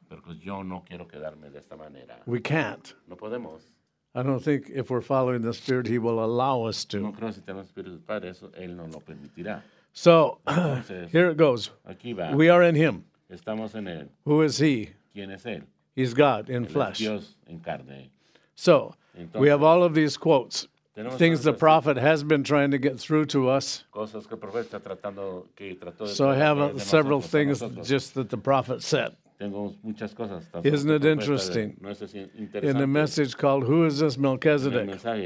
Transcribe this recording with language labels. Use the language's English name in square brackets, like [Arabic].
[Spanish] Porque yo no quiero quedarme de esta manera. [English] We can't. [Spanish] No podemos. [English] I don't think if we're following the Spirit, He will allow us to. [Spanish] No creo si tenemos Espíritu del Padre, eso Él no lo permitirá. [English] So, [Spanish] entonces, [English] here it goes. [Spanish] Aquí va. [English] We are in Him. [Spanish] Estamos en Él. [English] Who is He? [Spanish] ¿Quién es Él? [English] He's God in [Spanish] Él [English] flesh. [Spanish] Es Dios en carne. [English] So, [Spanish] entonces, [English] we have all of these quotes, things the prophet has been trying to get through to us. [Spanish] Cosas que el profeta está tratando, que trató de [English] so I have a, several things just that the prophet said. Isn't it interesting? In the message called Who is this Melchizedek?